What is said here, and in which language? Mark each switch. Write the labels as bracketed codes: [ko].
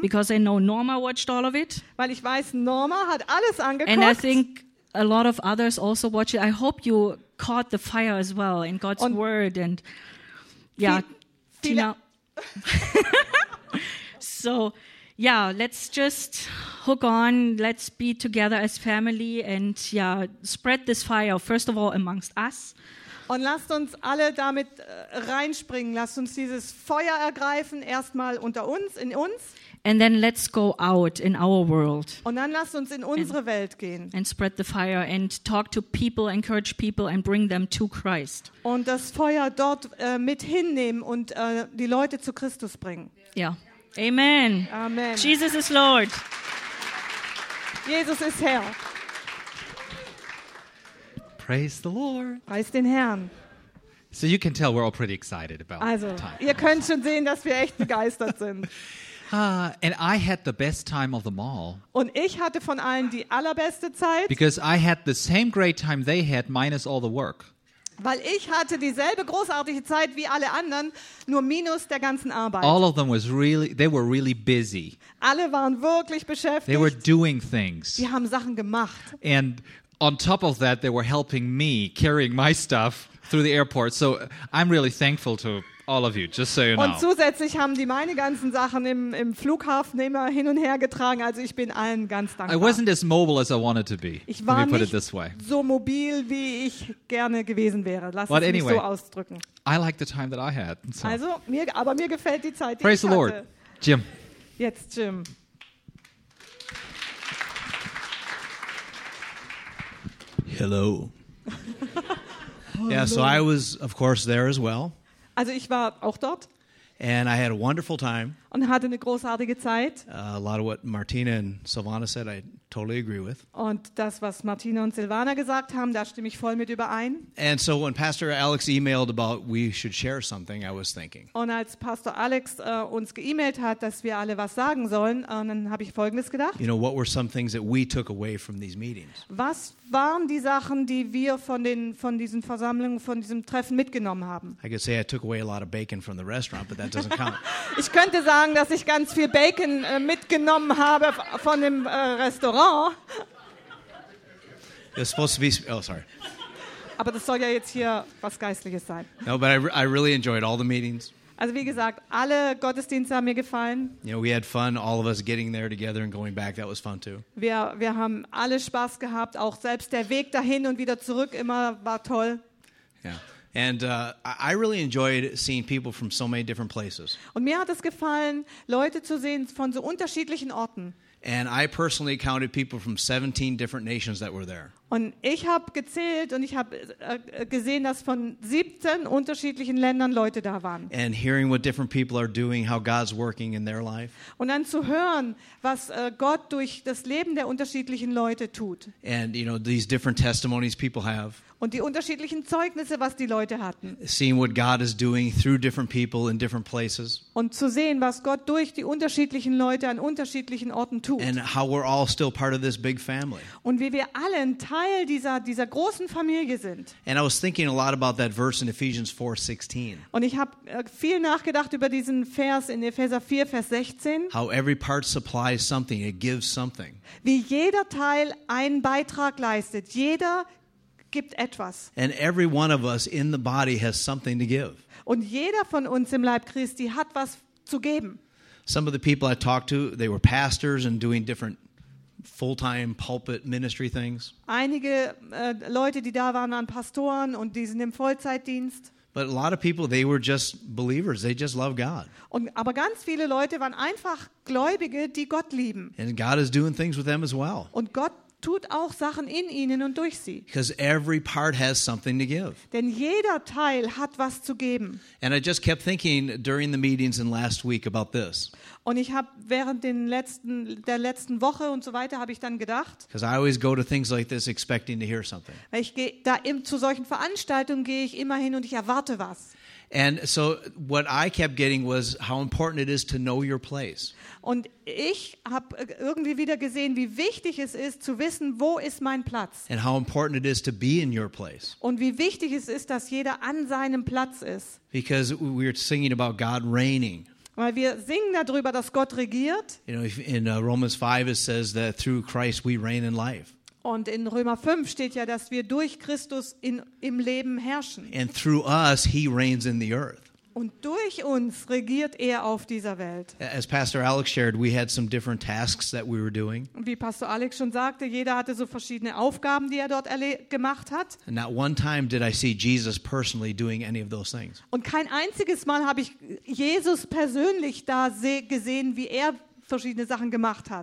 [en] Because I know Norma watched all of it. [de] Weil ich weiß, Norma hat alles angeguckt. [en] And I think a lot of others also watched it. I hope you caught the fire as well in God's und word. And yeah, Tina. So, yeah, let's just hook on, let's be together as family and yeah, spread this fire, first of all amongst us. [de] Und lasst uns alle damit reinspringen, lasst uns dieses Feuer ergreifen, erstmal unter uns, in uns. [en] And then let's go out in our world. [de] Und dann lasst uns in unsere Welt gehen. [en] And spread the fire and talk to people, encourage people and bring them to Christ. [de] Und das Feuer dort mit hinnehmen und die Leute zu Christus bringen. [en] Yeah. Amen. Amen. Jesus is Lord. [de] Jesus ist Herr. [en] Praise the Lord. [de] Preist den Herrn. [en] So you can tell we're all pretty excited about [de] also, [en] the time. [de] Ihr könnt schon sehen, dass wir echt begeistert sind. [en] And I had the best time of them all. [de] Und ich hatte von allen die allerbeste Zeit. [en] Because I had the same great time they had, minus all the work. [de] Weil ich hatte dieselbe großartige Zeit wie alle anderen, nur minus der ganzen Arbeit. [en] All of them was really, they were really busy. [de] Alle waren wirklich beschäftigt. [en] They were doing things. [de] Die haben Sachen gemacht. [en] And on top of that, they were helping me carrying my stuff through the airport. So I'm really thankful to all of you, just so you know. [de] Und zusätzlich haben die meine ganzen Sachen im Flughafen immer hin und her getragen. Also ich bin allen ganz dankbar. [en] I wasn't as mobile as I wanted to be. [de] Ich war nicht so mobil, wie ich gerne gewesen wäre. Lass [en] but [de] es [en] anyway, [de] mich so ausdrücken. [en] I like the time that I had. So. [de] Also mir, aber mir gefällt die Zeit, die [en] praise [de] ich [en] Lord. [de] Hatte. [en] Praise the Lord, Jim. [de] Jetzt Jim. [en] Hello. Yeah, so I was, of course, there as well. [de] Also ich war auch dort. [en] And I had a wonderful time. [de] Und hatte eine großartige Zeit. [en] A lot of what Martina and Silvana said, I totally agree with. [de] Und das, was Martina und Silvana gesagt haben, da stimme ich voll mit überein. [en] And so when Pastor Alex emailed about we should share something, I was thinking. [de] Und als Pastor Alex uns geemailt hat, dass wir alle was sagen sollen, dann habe ich Folgendes gedacht. [en] You know, what were some things that we took away from these meetings? [de] Was waren die Sachen, die wir von diesen Versammlungen, von diesem Treffen mitgenommen haben? [en] I could say I took away a lot of bacon from the restaurant, but that doesn't count. [de] Ich könnte sagen, dass ich ganz viel Bacon mitgenommen habe von dem Restaurant. [en] It's supposed to be sorry. [de] Aber das soll ja jetzt hier was Geistliches sein. [en] No, but I really enjoyed all the meetings. [de] Also wie gesagt, alle Gottesdienste haben mir gefallen. [en] You know, we had fun, all of us getting there together and going back. That was fun too. [de] Wir haben alle Spaß gehabt, auch selbst der Weg dahin und wieder zurück immer war toll. Ja. Yeah. [en] And I really enjoyed seeing people from so many different places. [de] Und mir hat es gefallen, Leute zu sehen von so unterschiedlichen Orten. [en] And I personally counted people from 17 different nations that were there. [de] Und ich habe gezählt und ich habe gesehen, dass von 17 unterschiedlichen Ländern Leute da waren. [en] And hearing what different people are doing, how God's working in their life. [de] Und dann zu hören, was Gott durch das Leben der unterschiedlichen Leute tut. [en] And you know, these different testimonies people have. [de] Und die unterschiedlichen Zeugnisse, was die Leute hatten. [en] Seeing what God is doing through different people in different places. [de] Und zu sehen, was Gott durch die unterschiedlichen Leute an unterschiedlichen Orten tut. tut. [en] And how we're all still part of this big family. [de] Und wie wir alle ein Teil dieser großen Familie sind. [en] And I was thinking a lot about that verse in Ephesians 4:16. [de] Und ich habe viel nachgedacht über diesen Vers in Epheser 4, Vers 16. [en] How every part supplies something, it gives something. [de] Wie jeder Teil einen Beitrag leistet. Jeder gibt etwas. [en] And every one of us in the body has something to give. [de] Und jeder von uns im Leib Christi hat was zu geben. [en] Some of the people I talked to, they were pastors and doing different full-time pulpit ministry things. [de] Einige Leute, die da waren, waren Pastoren und die sind im Vollzeitdienst. [en] But a lot of people, they were just believers. They just love God. [de] Und aber ganz viele Leute waren einfach Gläubige, die Gott lieben. [en] And God is doing things with them as well. [de] Und Gott tut auch Sachen in ihnen und durch sie. [en] Because every part has something to give. [de] Denn jeder Teil hat was zu geben. [en] And I just kept thinking during the meetings and last week about this. [de] Und ich habe während der letzten Woche und so weiter habe ich dann gedacht. [en] Because I always go to things like this expecting to hear something. [de] Weil ich gehe da zu solchen Veranstaltungen gehe ich immer hin und ich erwarte was. [en] And so what I kept getting was how important it is to know your place. [de] Und ich habe irgendwie wieder gesehen, wie wichtig es ist zu wissen, wo ist mein Platz. [en] And how important it is to be in your place. [de] Und wie wichtig es ist, dass jeder an seinem Platz ist. [en] Because we're singing about God reigning. [de] Weil wir singen darüber, dass Gott regiert. [en] You know, in Romans 5 it says that through Christ we reign in life. [de] Und in Römer 5 steht ja, dass wir durch Christus im Leben herrschen. [en] And through us, he reigns in the earth. [de] Und durch uns regiert er auf dieser Welt. [en] As Pastor Alex shared, we had some different tasks that we were doing. [de] Und wie Pastor Alex schon sagte, jeder hatte so verschiedene Aufgaben, die er dort gemacht hat. [en] And not one time did I see Jesus personally doing any of those things. [de] Und kein einziges Mal habe ich Jesus persönlich da gesehen, wie er verschiedene Sachen gemacht hat.